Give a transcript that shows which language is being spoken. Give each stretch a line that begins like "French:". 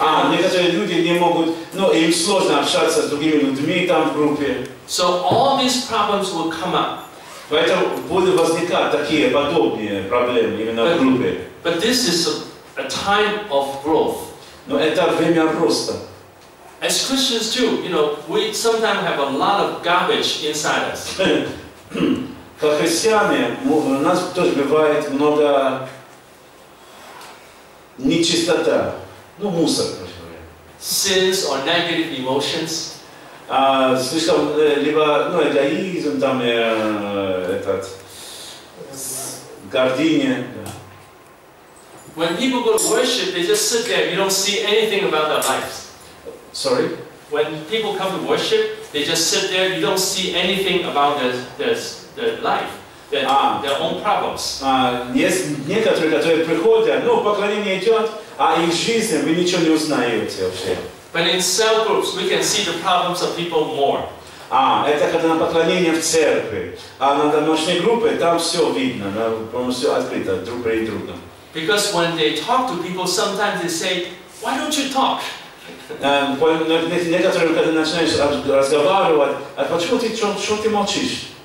Russian: Некоторые люди не могут, ну, им сложно общаться с другими людьми там в группе.
English: So all these problems will come up.
Russian: Поэтому будут возникать такие подобные проблемы именно в группе.
English: But this is a time of growth.
Russian: Но это время роста.
English: As Christians too, you know, we sometimes have a lot of garbage inside us.
Russian: Как христиане, у нас тоже бывает много нечистота. Ну, мусор,
English: sins or negative emotions.
Russian: Слишком либо, ну, эгоизм там, этот гордыня.
English: When people go to worship, they just sit there. You don't see anything about their lives. Sorry. When people come to worship, they just sit there. You don't see anything about their life. Their own problems.
Russian: Есть некоторые, которые приходят, ну, поклонение идет, а их жизнь вы ничего не узнаете вообще.
English: But in cell groups, we can see the problems of people more.
Russian: Это когда на поклонение в церкви, а на домашней группе там все видно, да, полностью открыто друг перед другом.
English: Because when they talk to people, sometimes they say, "Why don't you talk?"
Russian: Некоторые, когда начинаешь разговаривать, а почему ты что ты молчишь?